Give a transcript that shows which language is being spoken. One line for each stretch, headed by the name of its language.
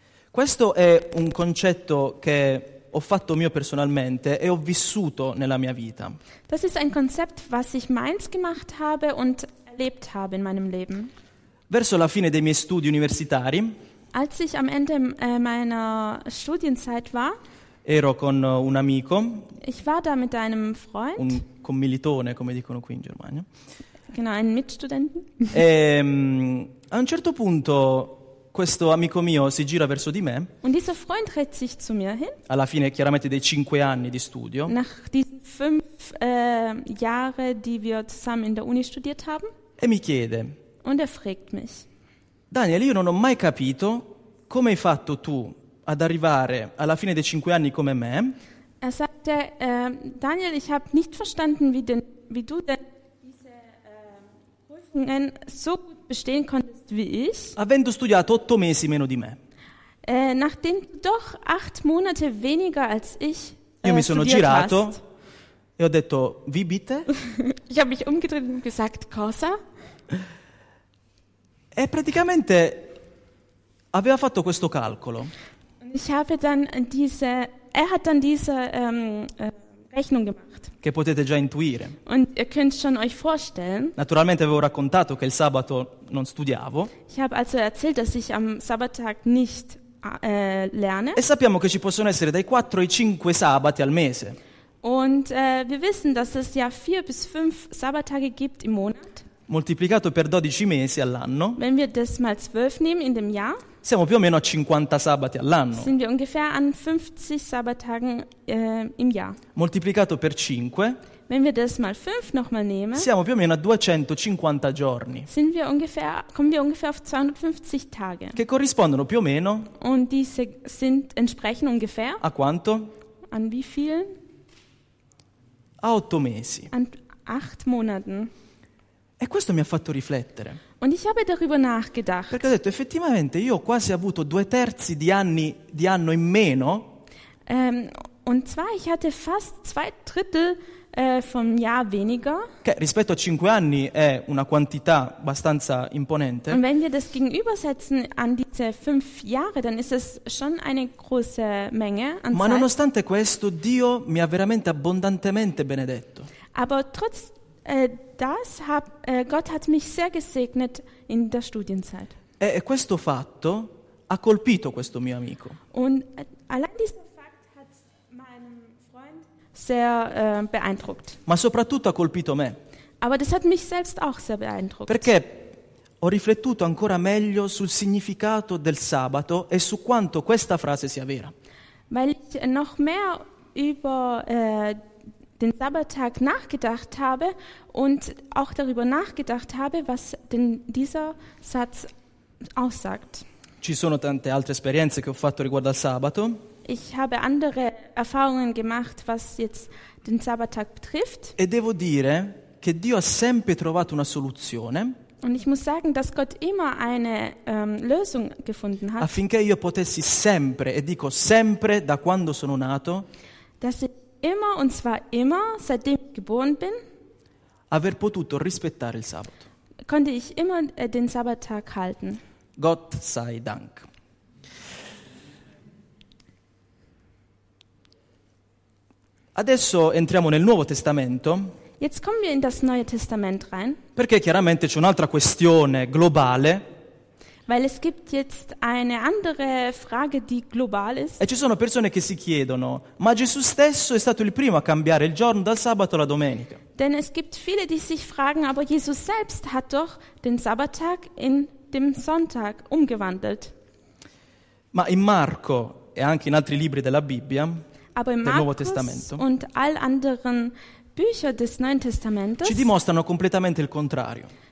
Italian: Questo è un concetto che ho fatto mio personalmente e ho vissuto nella mia vita.
German: Das ist ein Konzept, was ich meins gemacht habe und erlebt habe in meinem Leben.
Italian: Verso la fine dei miei studi universitari,
German: als ich am Ende meiner Studienzeit war,
Italian: ero con un amico,
German: ich war da mit einem Freund,
Italian: un commilitone, come dicono qui in Germania,
German: genau, einen Mitstudenten.
Italian: E, a un certo punto questo amico mio si gira verso di me,
German: und dieser Freund dreht sich zu mir hin,
Italian: alla fine chiaramente dei 5 anni di studio,
German: nach diesen 5 5 Jahre, die wir zusammen in der Uni studiert haben.
Italian: E mi chiede.
German: Und er fragt mich.
Italian: Daniel, io non ho mai capito come hai fatto tu ad arrivare alla fine dei 5 anni come me.
German: Er sagte, Daniel, ich habe nicht verstanden, wie du denn diese Prüfungen so gut bestehen konntest wie ich.
Italian: Avendo studiato 8 mesi meno di me.
German: Nachdem du doch 8 Monate weniger als ich
Italian: io mi sono girato e ho detto,
German: wie bitte? Ich habe mich umgedreht und gesagt,
Italian: cosa? E praticamente aveva fatto questo calcolo.
German: Ich habe dann diese, er hat dann diese Rechnung gemacht.
Italian: Che potete già intuire.
German: Und ihr könnt schon euch vorstellen.
Italian: Naturalmente avevo raccontato che il sabato non studiavo.
German: Ich habe also erzählt, dass ich am Sabbattag nicht lerne.
Italian: E sappiamo che ci possono essere dai 4 ai 5 sabati al mese.
German: Und wir wissen, dass es ja 4 bis 5 Sabbattage gibt im Monat.
Italian: Moltiplicato per 12 mesi all'anno.
German: Wenn wir das mal 12 nehmen in dem Jahr.
Italian: Siamo più o meno a 50 sabati all'anno.
German: Sind wir ungefähr an 50 Sabbattagen im Jahr.
Italian: Moltiplicato per 5.
German: Wenn wir das mal 5 nochmal nehmen.
Italian: Siamo più o meno a 250 giorni.
German: Sind wir ungefähr, kommen wir ungefähr auf 250 Tage.
Italian: Che corrispondono più o meno.
German: Und diese sind entsprechen ungefähr.
Italian: A quanto?
German: An wie vielen?
Italian: A 8 mesi.
German: An 8 Monaten.
Italian: E questo mi ha fatto riflettere.
German: Und ich habe darüber nachgedacht.
Italian: Perché ho detto effettivamente io ho quasi avuto 2/3 di anno in meno.
German: Und zwar ich hatte fast 2/3 vom Jahr weniger.
Italian: Che rispetto a 5 anni è una quantità abbastanza imponente.
German: Und wenn wir das gegenübersetzen an diese 5 Jahre, dann ist es schon eine große Menge an.
Italian: Ma nonostante questo Dio mi ha veramente abbondantemente benedetto.
German: Aber trotz das hab, Gott hat mich sehr gesegnet in der Studienzeit.
Italian: E questo fatto ha colpito questo mio amico.
German: Und allein dieser Fakt hat meinen Freund sehr beeindruckt.
Italian: Ma soprattutto ha colpito me.
German: Aber das hat mich selbst auch sehr beeindruckt.
Italian: Perché ho riflettuto ancora meglio sul significato del sabato e su quanto questa frase sia vera.
German: Weil ich noch mehr über den Sabbattag nachgedacht habe und auch darüber nachgedacht habe, was denn dieser Satz aussagt.
Italian: Ci sono tante altre esperienze che ho fatto riguardo al sabato.
German: Ich habe andere Erfahrungen gemacht, was jetzt den Sabbattag betrifft.
Italian: E devo dire che Dio ha sempre trovato una soluzione.
German: Und ich muss sagen, dass Gott immer eine Lösung gefunden hat.
Italian: Affinché io potessi sempre, e dico sempre, da quando sono nato,
German: dass ich immer und zwar immer seitdem ich geboren bin
Italian: aver potuto rispettare il sabato.
German: Konnte ich immer den Sabbattag halten. Gott sei Dank.
Italian: Adesso entriamo nel Nuovo Testamento.
German: Jetzt kommen wir in das Neue Testament rein.
Italian: Perché chiaramente c'è un'altra questione globale.
German: Weil es gibt jetzt eine andere Frage, die global ist.
Italian: E ci sono persone che si chiedono, ma Gesù stesso è stato il primo a cambiare il giorno dal sabato alla domenica.
German: Denn es gibt viele, die sich fragen, aber Jesus selbst hat doch den Sabbattag in dem Sonntag umgewandelt.
Italian: Ma in Marco e anche in altri libri della Bibbia,
German: aber in
Italian: del Nuovo Testamento,
German: und all anderen Bücher des Neuen Testamentes,
Italian: ci dimostrano completamente il contrario.